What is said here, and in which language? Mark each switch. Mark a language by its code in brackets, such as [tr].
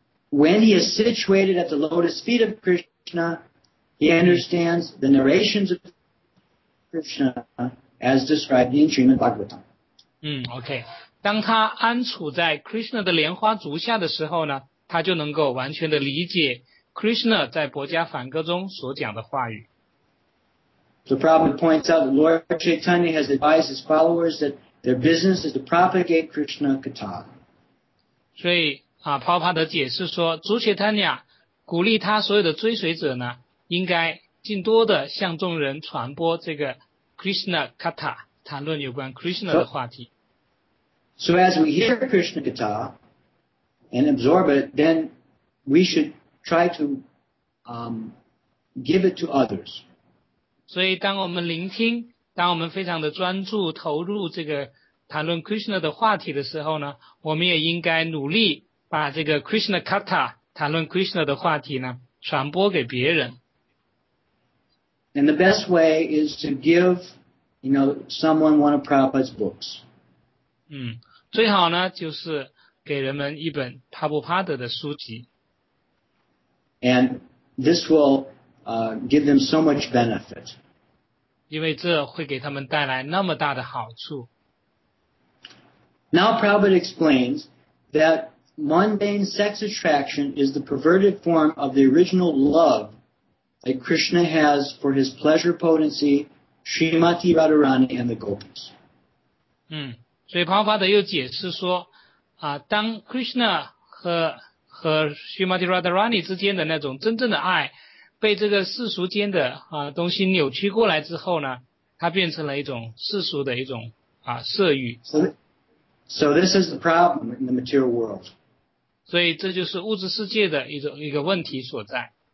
[en] When he is situated at the lotus feet of Krishna, he understands the narrations of Krishna as described in Srimad Bhagavatam. Okay. [zh] 当他安处在 Krishna 的莲花足下的时候呢，他就能够完全的理解 Krishna 在博迦梵歌中所讲的话语。 [en] The Prabhupada points out that Lord Chaitanya has advised his followers that their business is to propagate Krishna Katha. [zh] 所以Prabhupada 的解释说，主 Chaitanya 鼓励他所有的追随者呢，应该尽多的向众人传播这个 Krishna Katha， 谈论有关 Krishna 的话题。 [en] So as we hear Krishna Katha and absorb it, then we should try to give it to others. [zh] 所以当我们聆听，当我们非常的专注投入这个谈论 Krishna 的话题的时候呢，我们也应该努力把这个 Krishna Katha 谈论 Krishna 的话题呢传播给别人。 [en] And the best way is to give, you know, someone one of Prabhupada's books. [zh] 最好呢就是给人们一本帕布帕德的书籍。 [en] And this will give them so much benefit. [zh] 因为这会给他们带来那么大的好处。 [en] Now Prabhupada explains that mundane sex attraction is the perverted form of the original love that Krishna has for his pleasure potency, Srimati Radharani, and the gopis. [zh] 所以庞法德又解释说啊，当 Krishna 和 Srimati Radharani 之间的那种真正的爱被这个世俗间的啊东西扭曲过来之后呢，它变成了一种世俗的一种啊色欲。 [en] So this is the problem in the material world. [zh] 所以这就是物质世界的一个问题所在。